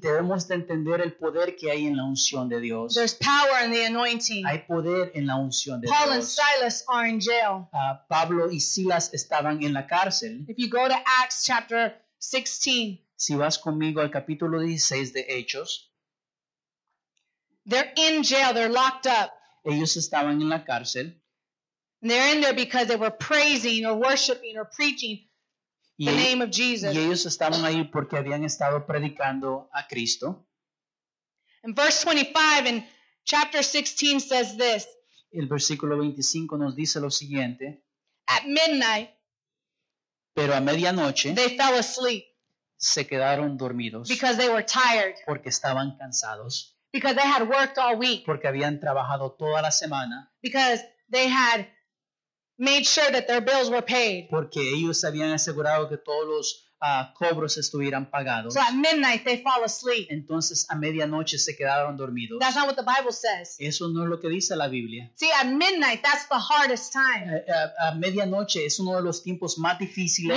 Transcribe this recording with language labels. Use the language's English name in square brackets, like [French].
[Spanish] Debemos de entender el poder que hay en la unción de Dios. [English] There's power in the anointing. [Spanish] Hay poder en la unción de [English] Paul [Spanish] Dios. [English] Paul and Silas are in jail. [Spanish] Pablo y Silas estaban en la cárcel. [English] If you go to Acts chapter 16. [Spanish] Si vas conmigo al capítulo 16 de Hechos. [English] They're in jail. They're locked up. [Spanish] Ellos estaban en la cárcel. [English] And they're in there because they were praising or worshiping or preaching the name of Jesus. [Spanish] Y ellos estaban ahí porque habían estado predicando a Cristo. [English] In verse 25 in chapter 16 says this. [Spanish] El versículo 25 nos dice lo siguiente. [English] At midnight. [Spanish] Pero a medianoche. [English] They fell asleep. [Spanish] Se quedaron dormidos. [English] Because they were tired. [Spanish] Porque estaban cansados. [English] Because they had worked all week. [Spanish] Porque habían trabajado toda la semana. [English] Because they had made sure that their bills were paid. [Spanish] Porque ellos habían asegurado que todos los cobros estuvieran pagados. [English] So at midnight they fall asleep. [Spanish] Entonces a medianoche se quedaron dormidos. [English] That's not what the Bible says. [Spanish] Eso no es lo que dice la Biblia. [English] See, at midnight that's the hardest time. [Spanish] A medianoche es uno de los tiempos más difíciles.